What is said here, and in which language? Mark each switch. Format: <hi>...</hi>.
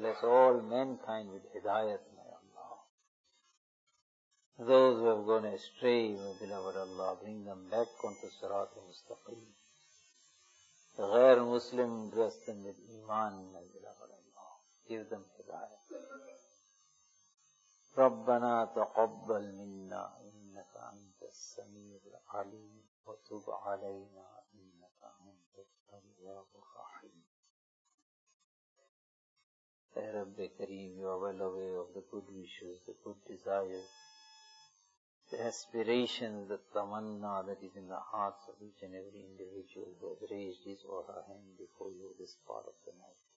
<en>Bless all mankind with hidayat, my Allah. Those who have gone astray, my beloved Allah, bring them back onto sirat al-mustaqim. The ghair Muslim, dress them with iman, my beloved Allah. Give them hidayat.</en> <ar>ربنا تقبل منا انك انت السميع العليم وتب علينا انك انت التواب الرحيم.</ar> <ur>اے رب کریم,</ur> <en>you are well aware of the good wishes, the good desires, the aspirations, the tamanna that is in the hearts of each and every individual who has raised his or her hand before you this part of the night.</en>